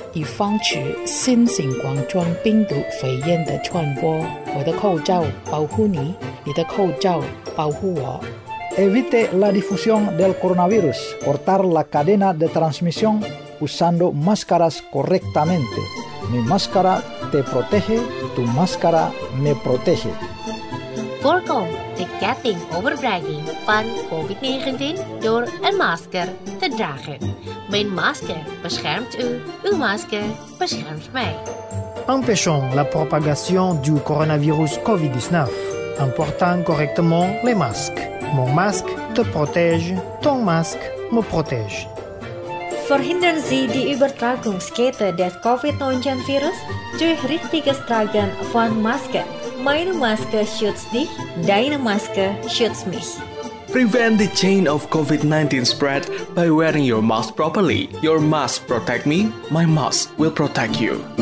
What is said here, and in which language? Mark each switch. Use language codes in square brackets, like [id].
[zh] 以防止 新型冠状病毒肺炎的传播，我的口罩保护你，你的口罩保护我。 [es] Evite la difusión del coronavirus, cortar la cadena de transmisión usando máscaras correctamente. Mi máscara te protege, tu máscara me protege. [nl] Voorkom de ketting overbrenging van COVID-19 door een masker te dragen. Mijn masker beschermt u, uw masker beschermt mij. [fr] Empêchons la propagation du coronavirus COVID-19 en portant correctement les masques. Mon masque te protège, ton masque me protège. [de] Verhindern Sie die Übertragungskette des COVID-19 Virus durch richtiges Tragen von Masken. Meine Maske schützt dich, deine Maske schützt mich. [en] Prevent the chain of COVID-19 spread by wearing your mask properly. Your mask protect me, my mask will protect you.